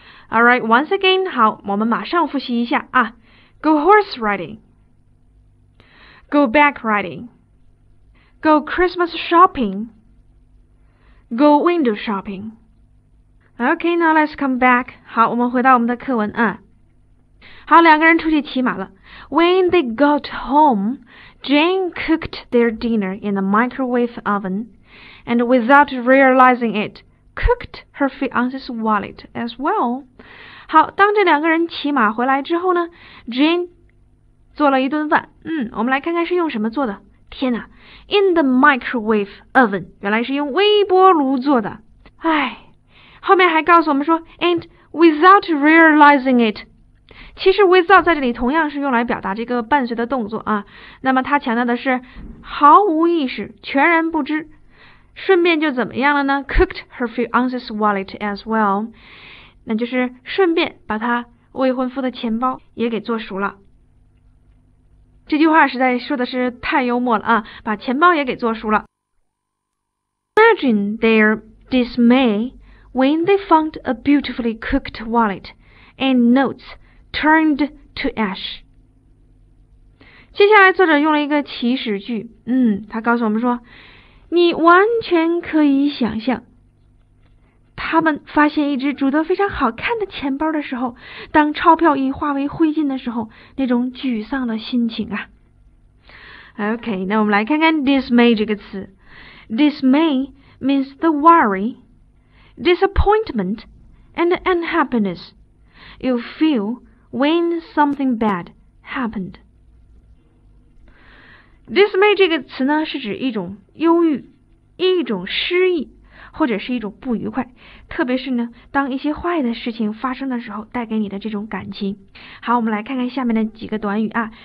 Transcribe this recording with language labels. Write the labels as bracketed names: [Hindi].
[English] Alright, once again， [Chinese] 好，我们马上复习一下啊。 [English] go horse riding， go back riding， Go Christmas shopping. Go window shopping. Okay, now let's come back. [Chinese] 好，我们回到我们的课文啊。好，两个人出去骑马了。 [English] When they got home, Jane cooked their dinner in the microwave oven, and without realizing it, cooked her fiance's wallet as well. [Chinese] 好，当这两个人骑马回来之后呢 ，Jane 做了一顿饭。嗯，我们来看看是用什么做的。天哪 ， [English] in the microwave oven， [Chinese] 原来是用微波炉做的。唉，后面还告诉我们说 ， [English] and without realizing it。 [Chinese] 其实 without 在这里同样是用来表达这个伴随的动作啊，那么它强调的是毫无意识，全然不知，顺便就怎么样了呢 ？ [English] Cooked her fiance's wallet as well， [Chinese] 那就是顺便把她未婚夫的钱包也给做熟了。这句话实在说的是太幽默了啊，把钱包也给做熟了。 [English] Imagine their dismay when they found a beautifully cooked wallet and notes. Turned to ash. [Chinese] 接下来作者用了一个祈使句，嗯，他告诉我们说，你完全可以想象，他们发现一只煮得非常好看的钱包的时候，当钞票已化为灰烬的时候，那种沮丧的心情啊。 OK， 那我们来看看 dismay 这个词。 [English] Dismay means the worry, disappointment, and unhappiness you feel. When something bad happened. [Chinese] Dismay 这个词呢是指一种忧郁，一种失意，或者是一种不愉快，特别是呢当一些坏的事情发生的时候带给你的这种感情。好，我们来看看下面的几个短语啊。